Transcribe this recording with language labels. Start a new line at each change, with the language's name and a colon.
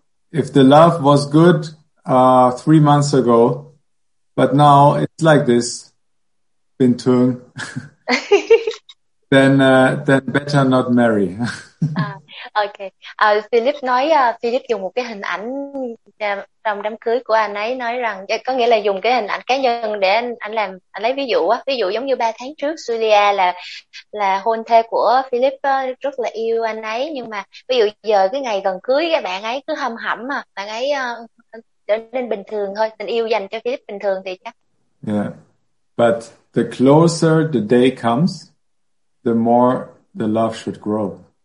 English: If the love was good 3 months ago, but now it's like this,
Vietnamese: bin thương,
English: then better not marry. Okay.
Vietnamese: Philip nói, Philip dùng một cái hình ảnh trong đám cưới của anh ấy, nói rằng, có nghĩa là dùng cái hình ảnh cá nhân để anh lấy ví dụ á. Ví dụ giống như 3 tháng trước, Julia là hôn thê của Philip rất là yêu anh ấy, nhưng mà ví dụ giờ cái ngày gần cưới, bạn ấy cứ hâm hẩm mà, bạn ấy trở nên bình thường thôi, tình yêu dành cho Philip bình thường thì chắc. Yeah.
English: But the closer the day comes, the more the love should grow.